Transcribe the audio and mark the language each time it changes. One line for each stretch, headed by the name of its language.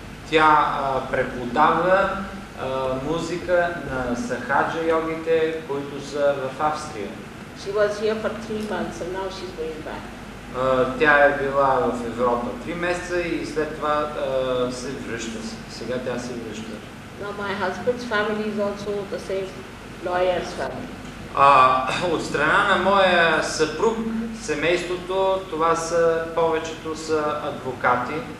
Bulgarian: Тя преподава музика на сахаджа йогите, които са в Австрия.
English: She was here for 3 months and now she's going back.
Bulgarian: Тя е била в Европа 3 месеца и след това се връща. Сега тя се връща.
English: Now my husband's family is also the same lawyer's family.
Bulgarian: От страна на моя съпруг, семейството, това са повечето са адвокати.